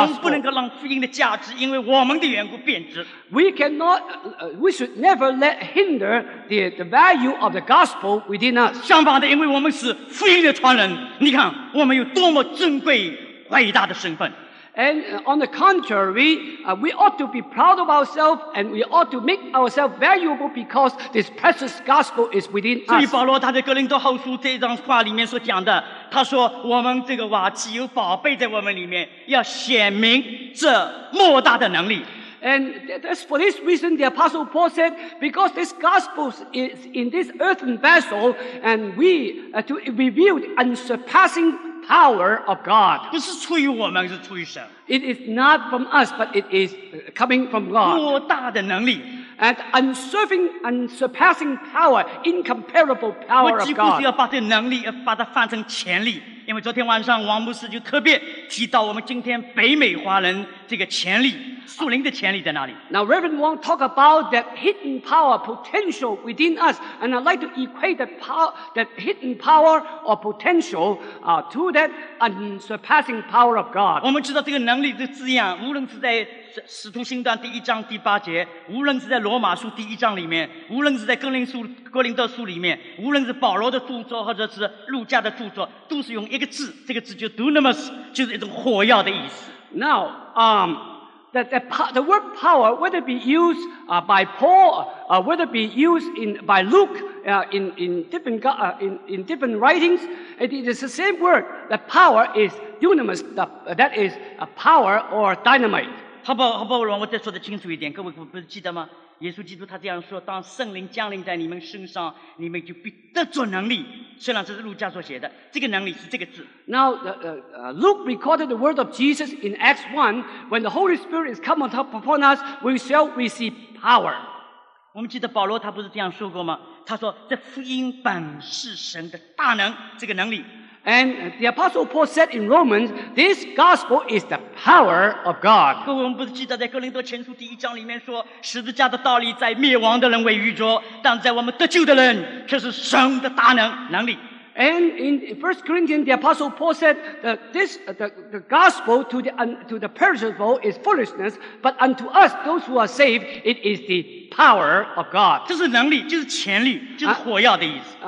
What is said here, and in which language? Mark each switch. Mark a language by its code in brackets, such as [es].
[zh] 我们不能够让福音的价值因为我们的缘故贬值。 [en] We should never let hinder the value of the gospel within us. [zh] 相反的，因为我们是福音的传人，你看我们有多么珍贵、伟大的身份。 [en] And on the contrary, we ought to be proud of ourselves and we ought to make ourselves valuable because this precious gospel is within us. [zh] 所以保罗他在哥林多后书这张话里面所讲的，他说我们这个瓦器有宝贝在我们里面，要显明这莫大的能力。 [en] And that's for this reason the Apostle Paul said, because this gospel is in this earthen vessel and we to reveal the unsurpassing power of God. [zh] 不是出于我们，是出于神。 [en] It is not from us, but it is coming from God. [zh] 莫大的能力。 [en] And unsurpassing power, incomparable power of God. [zh] 我几乎是要把这能力把它翻成潜力，因为昨天晚上王牧师就特别提到我们今天北美华人这个潜力，属灵的潜力在哪里。 [en] Now Reverend Wong talk about that hidden power potential within us, and I'd like to equate that hidden power or potential to that unsurpassing power of God. [zh] 我们知道这个能力的字样，无论是在使徒行传第一章第八节，无论是在罗马书第一章里面，无论是在哥林多书里面，无论是保罗的著作或者是路加的著作，都是用一个字，这个字就 dunamis, 就是一种火药的意思。 [en] Now, the word power, whether it be used by Paul, whether it be used by Luke, in different writings, it is the same word. The power is dunamis, that is a power or dynamite. [zh] 好不好，我再说得清楚一点，各位不是记得吗？耶稣基督他这样说，当圣灵降临在你们身上，你们就必得着能力。虽然这是路加所写的，这个能力是这个字。 [en] Now, Luke recorded the word of Jesus in Acts 1, when the Holy Spirit is come upon us, we shall receive power. [zh] 我们记得保罗他不是这样说过吗？他说，这福音本是神的大能，这个能力。 [en] And the Apostle Paul said in Romans, this gospel is the power of God. [zh] 各位，我们不是记得在哥林多前书第一章里面说，十字架的道理在灭亡的人为愚拙，但在我们得救的人却是神的大能能力。 [en] And in 1 Corinthians, the Apostle Paul said that the gospel to the perishable is foolishness, but unto us, those who are saved, it is the power of God. [zh] 这是能力，就是潜力，就是火药的意思。